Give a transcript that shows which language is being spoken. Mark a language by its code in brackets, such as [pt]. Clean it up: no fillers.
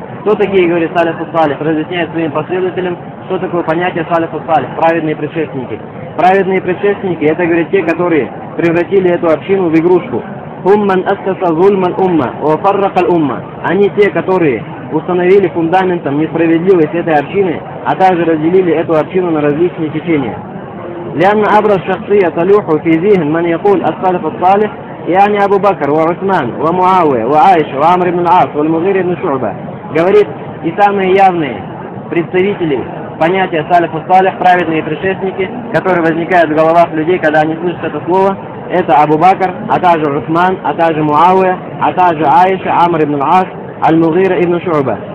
[ru] Кто такие, говорит «салиф ас-салих», разъясняет своим последователям, что такое понятие «салиф ас-салих», праведные предшественники. Праведные предшественники – это, говорит, те, которые превратили эту общину в игрушку. [ar] «Хум ман ас-саса зульман умма, ва фаррак аль-умма». [ru] Они те, которые установили фундаментом несправедливость этой общины, а также разделили эту общину на различные течения. [ar] لأن أبرز شخصية تلوح في ذهن من يقول السلف الصالح يعني أبو بكر وعثمان ومعاوية وعائشة وعمر بن العاص والمغيرة بن شعبة. [ru] Говорит, и самые явные представители понятия салиф ас-салих, праведные предшественники, которые возникают в головах людей, когда они слышат это слово, это Абу Бакр, а также Усман, а также Муавия, а также Аиша, Амр ибн Ас, Аль-Мугира ибн Шуба.